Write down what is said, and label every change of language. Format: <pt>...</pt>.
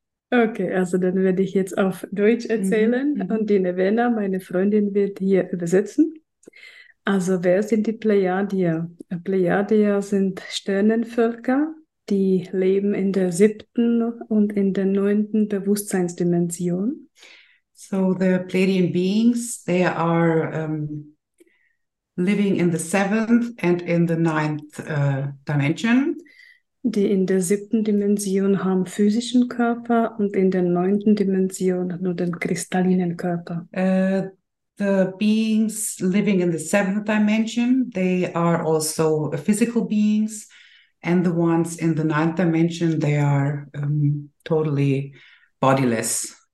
<de>Okay, also dann werde ich jetzt auf Deutsch erzählen und die Navina, meine Freundin, wird hier übersetzen. Also wer sind die Pleiadier? Pleiadier sind Sternenvölker, die leben in der siebten und in der neunten Bewusstseinsdimension.</de> <en>So the Pleiadian beings, they are living in the seventh and in the ninth dimension.</en> <de>Die in der siebten Dimension haben physischen Körper und in der neunten Dimension nur den kristallinen Körper.</de> <en>The beings living in the seventh dimension, they are also physical beings. And the ones in the ninth dimension, they are totally bodiless.</en>